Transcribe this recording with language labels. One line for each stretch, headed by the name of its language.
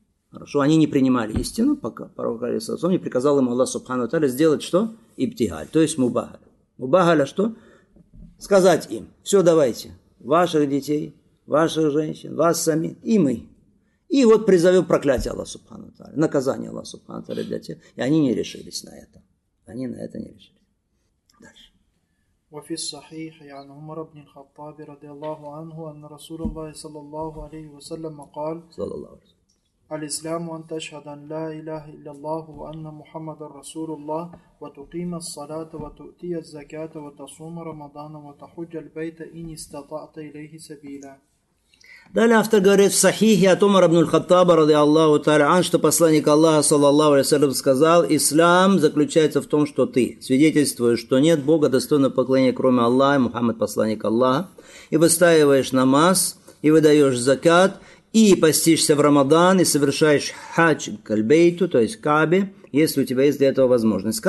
Russian: Хорошо, они не принимали истину, пока пророк алейхи салям не приказал им Аллах Субхану ва Тааля сделать что? Ибтигаль, то есть мубахаля. Мубахаля что? Сказать им, все давайте, ваших детей, ваших женщин, вас самих и мы. И вот призовем проклятие Аллаха Субхану Тааля, наказание Аллаха Субхану Тааля для тех. И они не решились на это. Они на это не решились. Дальше.
Arabic: وفي الصحيح عن عمر بن الخطاب رضي الله عنه أن رسول الله صلى الله عليه وسلم قال صلى الله عليه وسلم الإسلام أن تشهد أن لا إله إلا الله وأن محمد رسول الله وتقيم الصلاة وتؤتي الزكاة وتصوم رمضان وتحج البيت إن استطعت إليه سبيلا.
Russian: Далее автор говорит в Сахихе от Умара ибн аль-Хаттаба, радиаллаху тааля ан, что посланник Аллаха, саллаллаху алейхи ва саллям, сказал, «Ислам заключается в том, что ты свидетельствуешь, что нет Бога достойного поклонения, кроме Аллаха, и Мухаммад посланник Аллаха, и выстаиваешь намаз, и выдаешь закат, и постишься в Рамадан, и совершаешь хадж кальбейту, то есть Каабе, если у тебя есть для этого возможность».